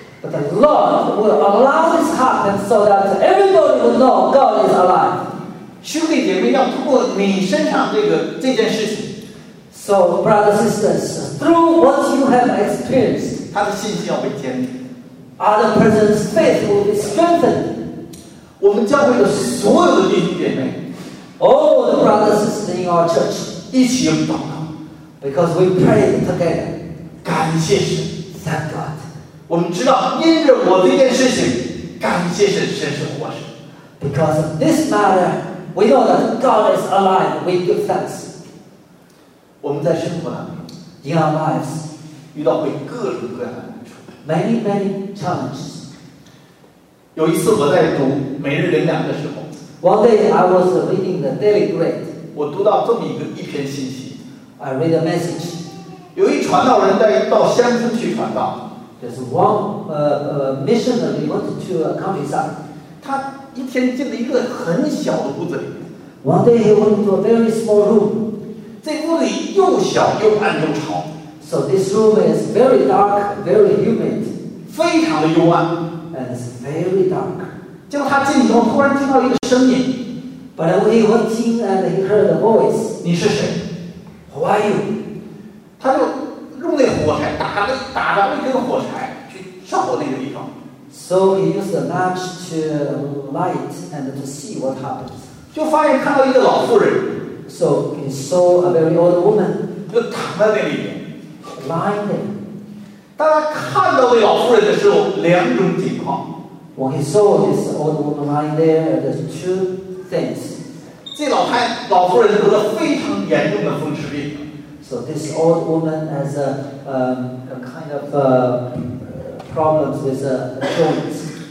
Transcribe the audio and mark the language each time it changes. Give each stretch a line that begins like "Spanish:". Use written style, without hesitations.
English: But the Lord will allow this happen so that everybody will know God is alive.
Chinese: 兄弟姐妹要通过你身上这件事情。
English: So, brothers and sisters, through what you have experienced,
Chinese: 他的信心要被坚定。
English: Other person's faith will be strengthened.
Chinese: 我们教会的所有的弟兄姐妹
English: all the brothers and sisters in our church,
Chinese: 一起用祷告。
English: Because we pray together.
Chinese: 感谢神。
English: Thank God.
Chinese: 我们知道，因着我这件事情，感谢神，神是活神。
English: Because of this matter, we know that God is alive. We give thanks.
Chinese: 我们在生活当中
English: ，in our lives，
Chinese: 遇到会各种各样的难处
English: ，many many challenges。
Chinese: 有一次我在读每日灵粮的时候
English: ，one day I was reading the daily bread。
Chinese: 我读到这么一篇信息
English: ，I read a message。
Chinese: 有一传道人在到乡村去传道。
English: There's one missionary went to a countryside.
Chinese: 他一天进了一个很小的屋子里。
English: One day he went to a very small room.
Chinese: 这屋里又小又暗又潮。
English: So this room is very dark, very humid.
Chinese: 非常的幽暗。
English: And it's very dark.
Chinese: 结果他进去后突然听到一个声音。
English: But he went in and he heard a voice.
Chinese: 你是谁
English: ？Who are you?
Chinese: 他就用那火柴打着一根火柴去照那个地方。
English: So he used a match to light and to see what happens.
Chinese: 就发现看到一个老妇人。
English: So he saw a very old woman.
Chinese: 就躺在那里面。
English: Lying there.
Chinese: 当他看到那老妇人的时候，两种情况。
English: When he saw this old woman lying there, there's two things.
Chinese: 这老妇人得了非常严重的风湿病。
English: So this old woman has a kind of problems with joints.